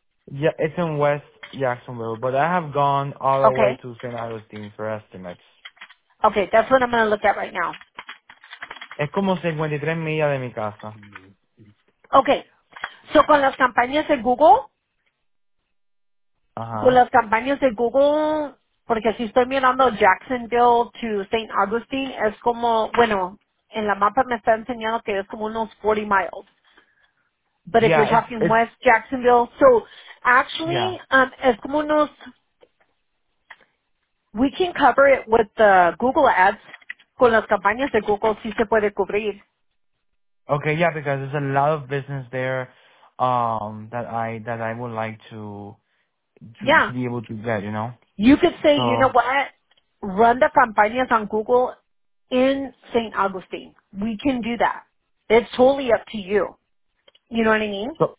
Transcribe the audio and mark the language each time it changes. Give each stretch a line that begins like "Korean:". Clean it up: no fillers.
English: Yeah, it's in West Jacksonville, but I have gone all the way to St. Augustine for estimates. Okay, that's what I'm going to look at right now.
Spanish: Es como 53 millas de mi casa. Okay, so con las campañas de Google, con las campañas de Google, porque si estoy mirando Jacksonville to St. Augustine, es como, bueno, en la mapa me está enseñando que es como unos 40 miles.
English: But if you're talking West Jacksonville, so actually,
Spanish: es como unos,
English: we can cover it with the Google ads.
Spanish: Con las campañas de Google sí se puede cubrir.
English: Okay, yeah, because there's a lot of business there that I would like to be able to get, you know? You could say, so, you know what, run the campañas on Google in St. Augustine. We can do that. It's totally up to you. You know what I mean?